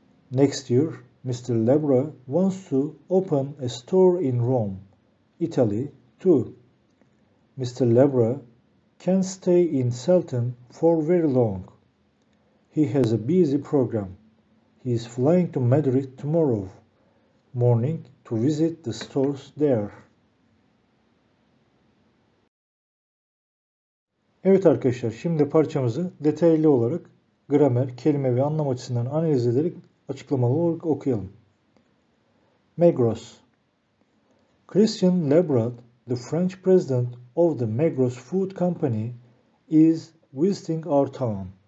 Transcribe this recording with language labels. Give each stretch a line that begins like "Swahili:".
English: Next year, Mr. Lebrun wants to open a store in Rome, Italy, too. Mr. Lebrun can't stay in Selton for very long. He has a busy program. He is flying to Madrid tomorrow morning to visit the stores there.
Turkish: Evet arkadaşlar, şimdi parçamızı detaylı olarak gramer, kelime ve anlam açısından analiz ederek açıklamalı olarak okuyalım.
English: Megros. Christian Lebrun, the French president of the Megros Food Company, is visiting our town.